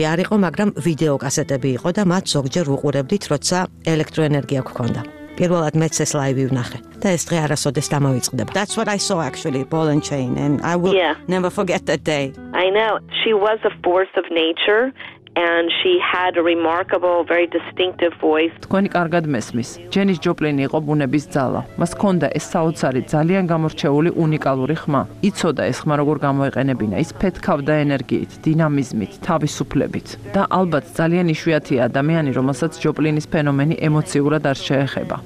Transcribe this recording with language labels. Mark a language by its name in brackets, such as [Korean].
[Georgian] არ იყო, მაგრამ ვიდეო კასეტები იყო და მათ ზოგჯერ უყურებდით, როცა ელექტროენერგია გქონდა. Первалад мецэс лайви внахе. Да эс дღე арасодэс дамавицқдеба. [English] That's what I saw actually, Ball and Chain, and I will never forget that day. I know she was a force of nature and she had a remarkable, very distinctive voice. [Georgian] თქვენი კარგად მესმის. ჯენის ჯოპლინი იყო ბუნების ძალა. მას ჰქონდა ეს საოცარი, ძალიან გამორჩეული, უნიკალური ხმა. იცოდა ეს ხმა როგორ გამოიყენებინა. ის ფეთქავდა ენერგიით, დინამიზმით, თავისუფლებით. და ალბათ ძალიან იშვიათია ადამიანი, რომელსაც ჯოპლინის ფენომენი ემოციურად არ შეეხება.